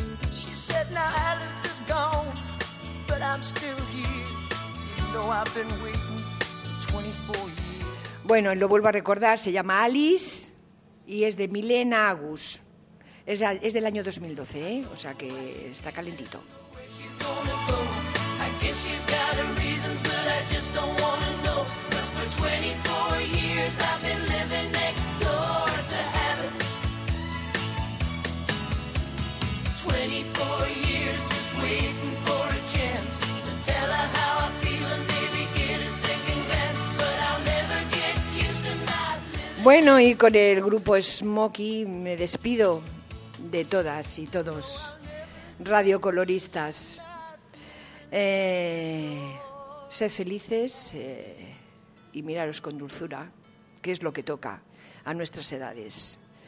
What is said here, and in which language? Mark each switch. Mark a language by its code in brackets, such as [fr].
[en] She said, now Alice is gone, but I'm still here. You know I've been waiting 24 years. [es] Bueno, lo vuelvo a recordar, se llama Alice y es de Milena Agus. Es del año 2012, ¿eh? O sea que está calentito. [en] Tell her how I feel and maybe get a second glance. But I'll never get used. [es] Bueno, y con el grupo Smokey me despido de todas y todos radiocoloristas. Sed felices y miraros con dulzura, que es lo que toca a nuestras edades.